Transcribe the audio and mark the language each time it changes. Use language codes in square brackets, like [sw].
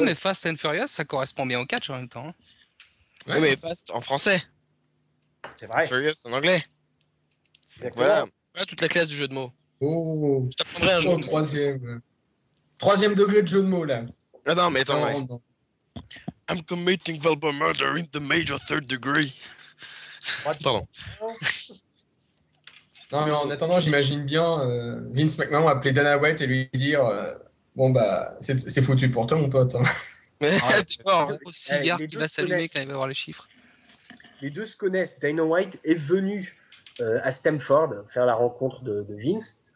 [fr] Ouais, mais Fast and Furious, ça correspond bien au catch en même temps. Hein. Ouais, mais Fast en français. C'est vrai. Furious en anglais. Voilà toute la classe du jeu de mots. Oh. Je t'apprendrai un jeu de mots. Troisième degré de jeu de mots, là. Ah non, mais attends. Ouais. [en] I'm committing verbal murder in the major third degree. [fr] Pardon. Non, mais en attendant, j'imagine bien Vince McMahon appeler Dana White et lui dire bon, bah, c'est foutu pour toi, mon pote. Ouais, tu vois, cigare qui va s'allumer quand il va voir les chiffres. Les deux se connaissent. Dana White est venu à Stamford faire la rencontre de Vince.